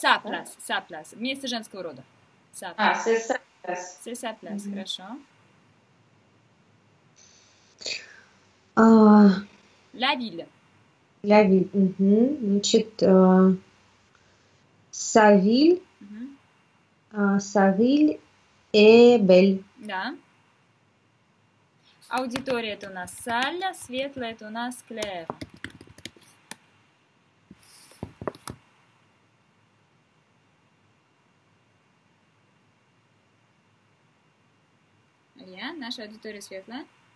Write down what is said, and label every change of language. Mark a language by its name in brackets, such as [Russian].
[French] Sa place, [Russian] да? Sa place, место женского рода. [French] Sa place. C'est sa place. C'est sa place, [Russian] хорошо. [French] La ville. La ville, [Russian] Значит, [French] sa ville, sa ville est belle. [Russian] Да. Аудитория это у нас salle, светлая это у нас claire. Наша аудитория светлая.